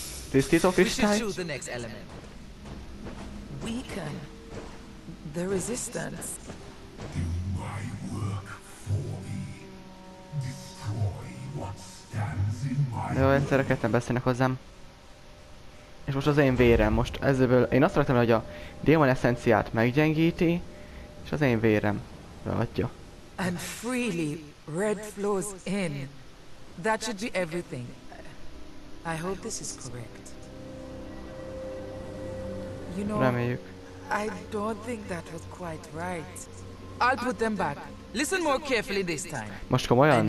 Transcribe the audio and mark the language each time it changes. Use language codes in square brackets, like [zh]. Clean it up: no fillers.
[hu] Tisztító kristály? [en] We should choose the next element. Weaken the resistance. Do my work for me. Destroy what stands in my way. [hu] Jó, egyszerre ketten beszélnek hozzám. És most az én vérem, most ezzel én azt raktam, hogy a démon eszenciát meggyengíti, és az én vérem beadja. [en] And freely red flows in. That should be everything. I hope this is correct. you know, [hu] reméljük. [en] I don't think that was quite right. I'll put them back. Listen more carefully this time. [hu] Most komolyan?